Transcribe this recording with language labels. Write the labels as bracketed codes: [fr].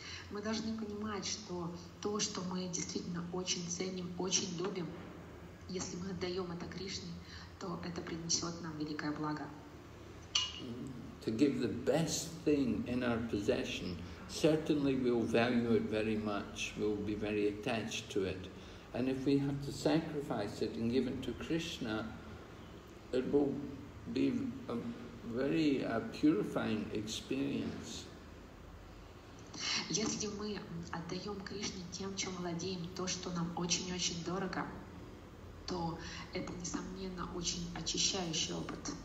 [ru] Мы должны понимать, что то, что мы действительно очень ценим, очень любим, если мы отдаем это Кришне, то это принесет нам великое благо. [en] To give the best thing in our possession, certainly we'll value it very much, we'll be very attached to it. And if we have to sacrifice it and give it to Krishna, it will be a very purifying experience. [ru] Если мы отдаем Кришне тем, чем владеем, то, что нам очень-очень дорого, то это, несомненно, очень очищающий опыт.